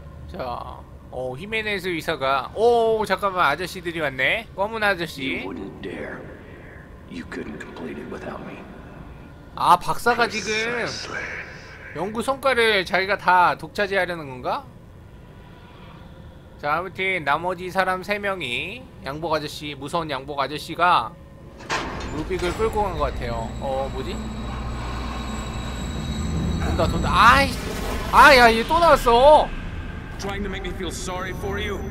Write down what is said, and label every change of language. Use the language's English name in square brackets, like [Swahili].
[Korean] 자, 오 히메네즈 의사가. 오 잠깐만 아저씨들이 왔네. 검은 아저씨. [English] You couldn't complete it without me. [Korean] 아 박사가 지금 연구 성과를 자기가 다 독차지하려는 건가? 자 아무튼 나머지 사람 3명이 양복 아저씨 무서운 양복 아저씨가 루빅을 끌고 간 것 같아요. 어 뭐지? 돈다 돈다 아이 아야 얘 또 나왔어. [English] Trying to make me feel sorry for you.